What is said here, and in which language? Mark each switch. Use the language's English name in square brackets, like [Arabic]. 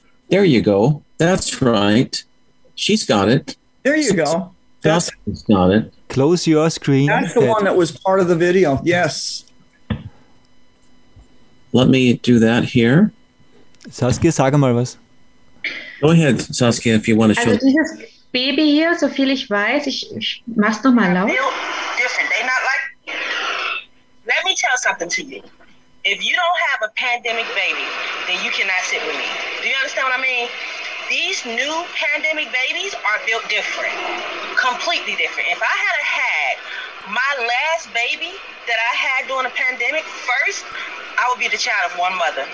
[English] There you go. That's right. She's got it. There you go. That's got it. Close your screen. That's the one that was part of the video. Yes. Let me do that here. [German] Saskia, sag mal was. [English] Go ahead, Saskia, if you want to show. [German] Also dieses Baby hier, so viel ich weiß, ich mach's noch mal laut. [English] Let me tell something to you. If you don't have a pandemic baby, then you cannot sit with me. Do you understand what I mean? These new pandemic babies are built different, completely different. If I had had my last baby that I had during a pandemic first, I would be the child of one mother.